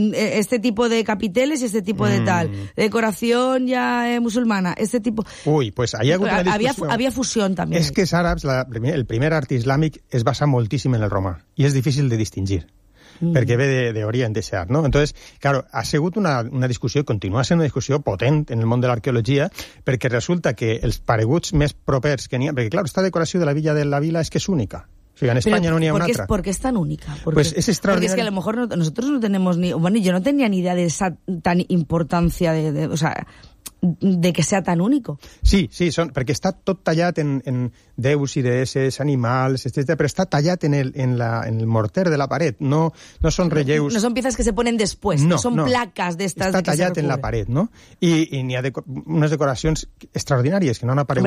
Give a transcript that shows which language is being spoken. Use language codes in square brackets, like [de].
[es] Este tipo de capiteles y este tipo de tal. Decoración ya musulmana. Este tipo... Uy, pues ahí hago una discusión. Había fusión también. Es que los árabes, el primer arte islámico, es basado muchísimo en el romano. Y es difícil de distinguir. [ca] Perquè ve de Orient, de Sear, no? Entonces, claro, ha sigut una discussió, continua sent una discussió potent en el món de l'arqueologia, perquè resulta que els pareguts més propers que n'hi ha... Perquè, claro, esta decoració de la Villa de la Vila és que és única. O sigui, en Espanya no n'hi ha una altra. [es] ¿Por qué es tan única? Pues es extraordinario. Porque es que a lo mejor nosotros no tenemos ni... Bueno, yo no tenía ni idea de esa tan importancia de que sea tan único. [ca] Sí, sí, perquè està tot tallat en déus i deesses, animals, etcètera, però està tallat en el morter de la paret, no són relleus... No són [es] piezas que se ponen después, [ca] no són plaques d'estes... Està tallat en la paret, no? I n'hi ha unes decoracions extraordinàries que no han aparegut.